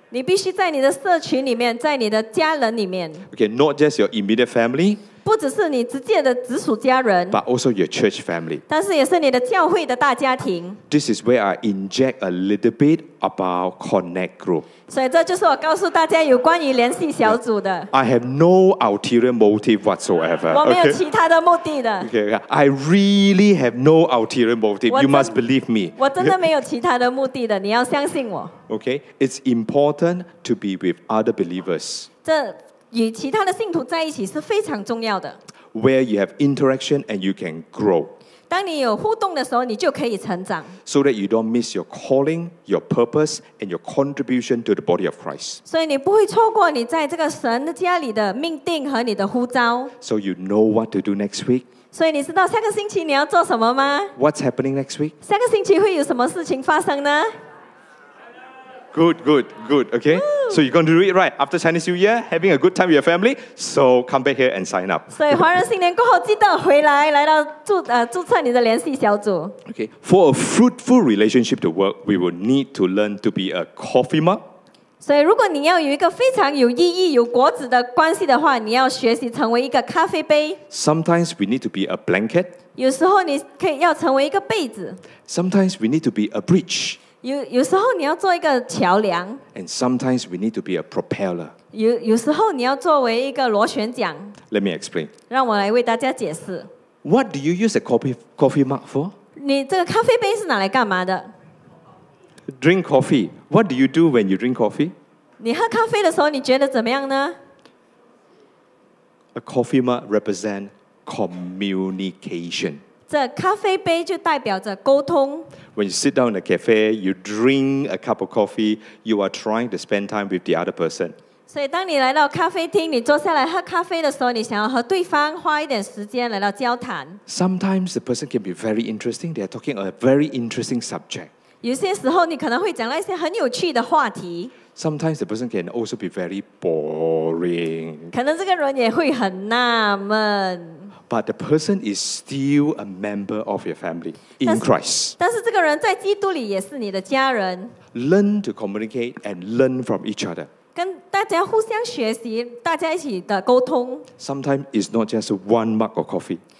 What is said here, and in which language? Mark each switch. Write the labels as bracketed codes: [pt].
[zh] 你必须在你的社群里面，在你的家人里面。 [en] Okay, not just your immediate family. [zh] 不只是你直接的直属家人。 [en] But also your church family. [zh] 但是也是你的教会的大家庭。 [en] This is where I inject a little bit about connect group. [zh] 所以这就是我告诉大家有关于联系小组的。 [en] I have no ulterior motive whatsoever. [zh] 我没有其他的目的的。 [en] Okay, I really have no ulterior motive. You must believe me. [zh] 我真的没有其他的目的的，你要相信我。 [en] Okay, it's important to be with other believers. [zh] 这与其他的信徒在一起是非常重要的。 [en] Where you have interaction and you can grow. [zh] 当你有互动的时候，你就可以成长。 [en] So that you don't miss your calling, your purpose, and your contribution to the body of Christ. [zh] 所以你不会错过你在这个神家里的命定和你的呼召。 [en] So you know what to do next week. [zh] 所以你知道下个星期你要做什么吗？ [en] What's happening next week? [zh] 下个星期会有什么事情发生呢？ [en] Good, good, good. Okay, so you're going to do it right after Chinese New Year, having a good time with your family. So come back here and sign up. [zh] 所以华人新年过后记得回来，来到注册你的联系小组。 [en] Okay, for a fruitful relationship to work, we will need to learn to be a coffee mug. [zh] 所以如果你要有一个非常有意义、有果子的关系的话，你要学习成为一个咖啡杯。 [en] Sometimes we need to be a blanket. [zh] 有时候你可以要成为一个被子。 [en] Sometimes we need to be a bridge. [zh] 有时候你要做一个桥梁 [en] ，and sometimes we need to be a propeller. [zh] 有时候你要作为一个螺旋桨。 [en] Let me explain. [zh] 让我来为大家解释。 [en] What do you use a coffee mug for? [zh] 你这个咖啡杯是拿来干嘛的 [en] ？Drink coffee. What do you do when you drink coffee? [zh] 你喝咖啡的时候你觉得怎么样呢 [en] ？A coffee mug represents communication. [zh] 这咖啡杯就代表着沟通。 [en] When you sit down in a cafe, you drink a cup of coffee, you are trying to spend time with the other person. [zh] 所以当你来到咖啡厅，你坐下来喝咖啡的时候，你想要和对方花一点时间来到交谈。 [en] Sometimes the person can be very interesting. They are talking a very interesting subject. [zh] 有些时候你可能会讲到一些很有趣的话题。 [en] Sometimes the person can also be very boring. [zh] 可能这个人也会很纳闷。 [en] But the person is still a member of your family in Christ. [zh] 但是这个人在基督里也是你的家人。 [en] Learn to communicate and learn from each other. [zh] 跟大家互相学习，大家一起的沟通。 [en] Sometimes it's not just one mug of coffee.